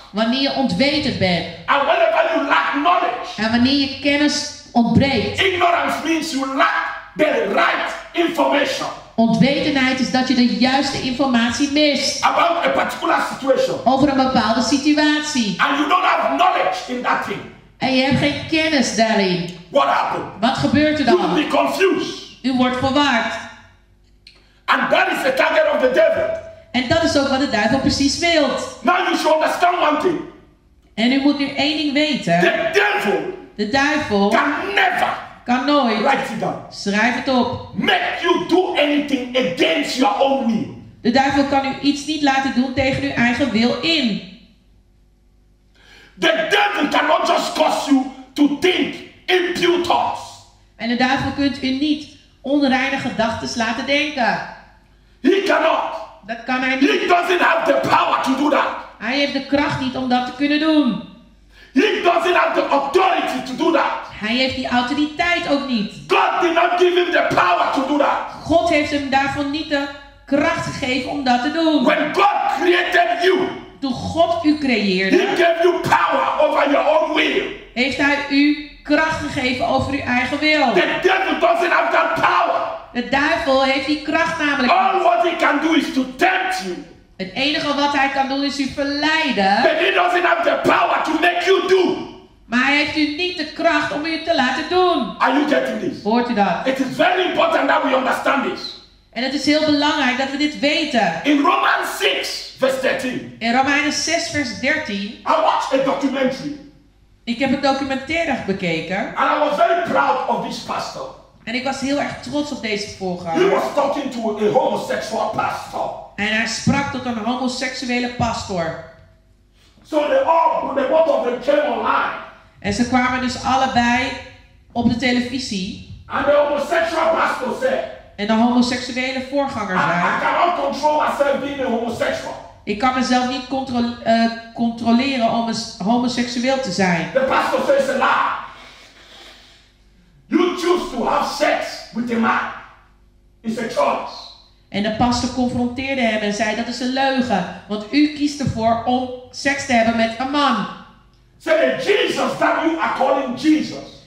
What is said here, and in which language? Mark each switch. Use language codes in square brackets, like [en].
[nl] Wanneer je ontwetend bent. [en] And whenever you lack knowledge. [nl] En wanneer je kennis ontbreekt. [en] Ignorance means you lack the right information. [nl] Ontwetendheid is dat je de juiste informatie mist. [en] About a particular situation. [nl] Over een bepaalde situatie. [en] And you don't have knowledge in that thing. [nl] En je hebt geen kennis daarin. [en] What happened? [nl] Wat gebeurt er dan? [en] You will be confused. [nl] U wordt verwaard. [en] And that is the target of the devil. [nl] En dat is ook wat de duivel precies wil. [en] Now you should understand one thing. [nl] En u moet nu één ding weten. De duivel. Kan nooit. [en] Write it down. [nl] Schrijf het op. [en] Make you do anything against your own will. [nl] De duivel kan u iets niet laten doen tegen uw eigen wil in. [en] The devil cannot just cause you to think impure thoughts. [nl] En de duivel kunt u niet onreine gedachten laten denken. [en] He cannot. [nl] Dat kan hij niet. [en] He doesn't have the power to do that. [nl] Hij heeft de kracht niet om dat te kunnen doen. [en] He doesn't have the authority to do that. [nl] Hij heeft die autoriteit ook niet. [en] God did not give him the power to do that. [nl] God heeft hem daarvoor niet de kracht gegeven om dat te doen. [en] When God created you. [nl] Toen God u creëerde. [en] He gave you power over your own will. [nl] Heeft hij u kracht gegeven over uw eigen wil. [en] The devil doesn't have that power. [nl] De duivel heeft die kracht namelijk. [en] All what he can do is to tempt you. [nl] Het enige wat hij kan doen is u verleiden. [en] But he doesn't have the power to make you do. [nl] Maar hij heeft u niet de kracht om u te laten doen. [en] Are you getting this? [nl] Hoort u dat? [en] It is very important that we understand this. [nl] En het is heel belangrijk dat we dit weten. [en] In Romans 6 vers 13. [nl] In Romeinen 6 vers 13. [en] I watched a documentary. [nl] Ik heb een documentaire bekeken. [en] And I was very proud of this pastor. [nl] En ik was heel erg trots op deze voorganger. [en] He was talking to a homosexual pastor. [nl] En hij sprak tot een homoseksuele pastor. [en] So they both of them came online. [nl] En ze kwamen dus allebei op de televisie. [en] And the homosexual pastor said, [nl] en de homoseksuele voorganger zijn. [en] I cannot control myself being a homosexual. [nl] Ik kan mezelf niet controleren om homoseksueel te zijn. [en] The pastor says a lie. You choose to have sex with a man. It's a choice. [nl] En de pastor confronteerde hem en zei, dat is een leugen. Want u kiest ervoor om seks te hebben met een man. [en] So the Jesus that you are calling Jesus.